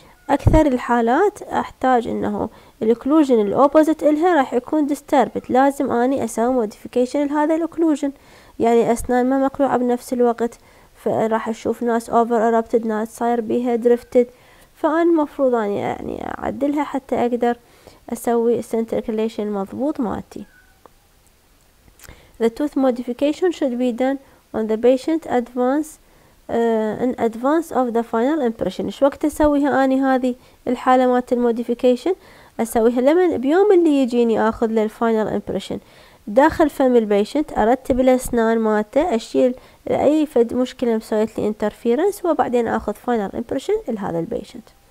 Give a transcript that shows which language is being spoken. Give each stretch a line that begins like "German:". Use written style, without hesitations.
Arabic: اكثر الحالات احتاج انه الاوكلوجن الاوبوزيت الها راح يكون ديستربت، لازم اني اسوي موديفيكيشن لهذا الاوكلوجن، يعني اسنان ما مقلوعه بنفس الوقت، فراح اشوف ناس اوفر ارابتد ناس صاير بيها درفتد، فانا المفروض اني يعني اعدلها حتى اقدر اسوي سنتركليشن مضبوط مالتي.
English: The tooth modification should be done on the patient advance in advance of the final impression.
Arabic: شو وقت اسويها اني هذه الحالة مالت الموديفيكيشن؟ اسويها لمن بيوم اللي يجيني اخذ له الفاينل امبريشن، داخل فم البيشنت ارتب الاسنان مالته اشيل اي فد مشكله مسويت لي انترفيرنس، وبعدين اخذ فاينل امبريشن لهذا البيشنت.